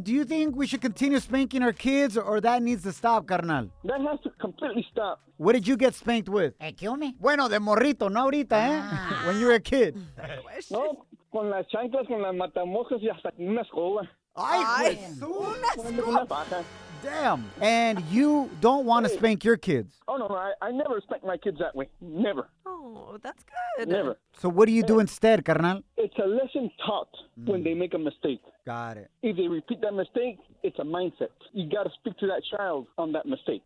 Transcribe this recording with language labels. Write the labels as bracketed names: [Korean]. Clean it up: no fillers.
[English] Do you think we should continue spanking our kids or that needs to stop, carnal? That has to completely stop. What did you get spanked with? Hey, kill me. [Spanish] Bueno, de morrito, no ahorita, ah. [English] ¿eh? When you were a kid. [Spanish] No, con las chanclas, con las matamoscas y hasta con una escoba. Ay, pues, una escoba. [English] Damn. And you don't want to spank your kids? Oh, no, I never spank my kids that way. Never. Oh, that's good. Never. So what do you do instead, carnal? It's a lesson taught when they make a mistake. Got it. If they repeat that mistake, it's a mindset. You got to speak to that child on that mistake.